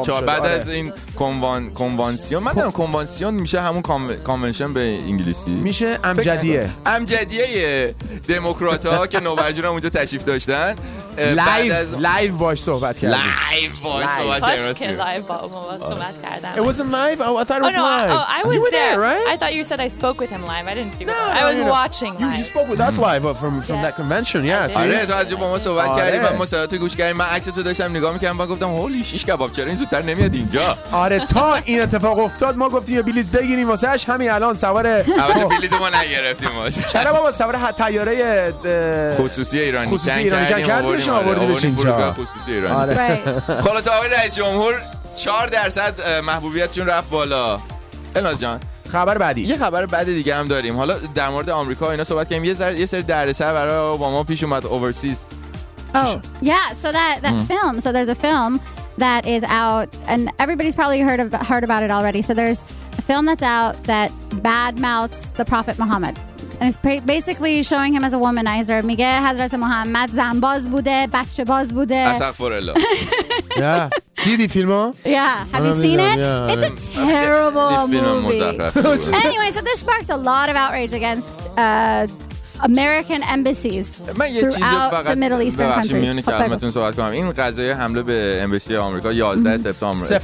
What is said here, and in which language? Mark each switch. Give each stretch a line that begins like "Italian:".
Persian: چهار بعد آره. از این کنوانسیون من کنوانسیون میشه همون کانونشن به انگلیسی میشه امجدیه. امجدیه دموکرات ها که نوبرجون اونجا تشریف داشتن لایو باش صحبت کردن. لایو باش صحبت کردن. کاش که لایو با اوباما صحبت کردن.
English: It wasn't live. Oh, I thought it was live. Oh, no, I was there, right? I thought you said I spoke with him live. I didn't see. No, I was watching live. You spoke with us live from that convention. Yes.
Persian: آره تو از اوباما صحبت کردی. من مصاحبه گوش کردم. من عکس تو داشتم نگاه می‌کردم. من گفتم هولی شیش کباب چرا این زودتر نمیاد اینجا؟ آره تا این اتفاق افتاد ما گفتیم یه بلیط بگیریم واسهش. همین الان سوار بلیط ما نگرفتیم. چرا بابا سوار طیاره خصوصی ایرانی کردیم؟ شما آوردی بهش اینجا. آره. خلاص آقای رئیس جمهور 4% محبوبیتشون رفت بالا. الناز جان خبر بعدی. یه خبر بعد دیگه هم داریم. حالا در مورد آمریکا اینا صحبت کنیم. یه سری درسه برای با ما پیش اومد اوورسیز.
English: So there's a film that is out and everybody's probably heard about it already. So there's a film that's out that badmouths the Prophet Muhammad. And it's basically showing him as a womanizer.
Persian: میگه حضرت محمد زنباز بوده، بچه باز بوده. استغفرالله.
English: Yeah.
Persian: دیدی فیلمو؟
English: Yeah. Have you seen it? It's a terrible movie. Anyway, so this sparked a lot of outrage against American embassies throughout the Middle Eastern countries.
Persian: من یه چیزی فقط میخوام براتون صحبت کنم. این قضیه حمله به امبسی آمریکا 11 سپتامبر.